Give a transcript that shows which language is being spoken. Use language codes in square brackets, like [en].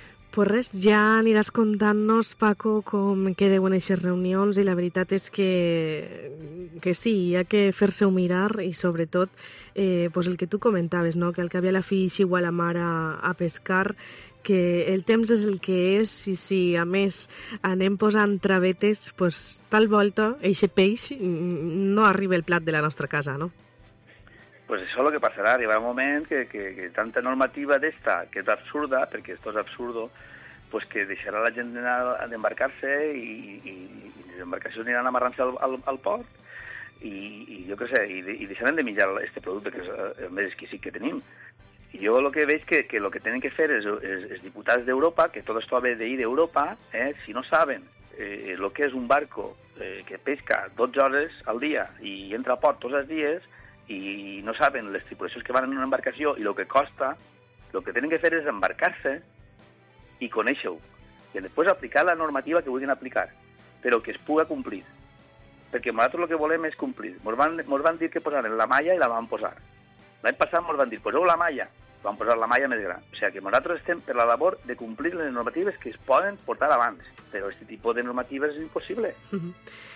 [ca] Pues res, ja aniràs contant-nos, Paco, com quedeuen aquestes reunions i la veritat és que sí, hi ha que fer-se-ho mirar i sobretot pues el que tu comentaves, no? Que al cap i a la fi xiu a la mar a pescar, que el temps és el que és i si a més anem posant travetes, pues tal volta aquest peix no arriba al plat de la nostra casa, no? [es] Pues eso es lo que pasará, llegará un momento que tanta normativa de esta, que es absurda, porque esto es absurdo, pues que dejará la gente de embarcarse y las embarcaciones irán a amarrarse al port y yo qué sé, y dejarán de mirar este producto que es el más exquisito que tenemos. Y yo lo que veis que lo que tienen que hacer es diputados de Europa, que todo esto habéis de ir de Europa, si no saben lo que es un barco que pesca 12 horas al día y entra al port todos los días, [ca] i no saben les tripulacions que van en una embarcació i el que costa, el que tenen que fer és embarcar-se i conèixer-ho. I després aplicar la normativa que vulguin aplicar, però que es puga complir. Perquè nosaltres el que volem és complir. Ens van dir que posaran la malla i la van posar. L'any passat ens van dir, poseu la malla, van posar la malla més gran. O sigui que nosaltres estem per la labor de complir les normatives que es poden portar abans, però aquest tipus de normatives és impossible. Doncs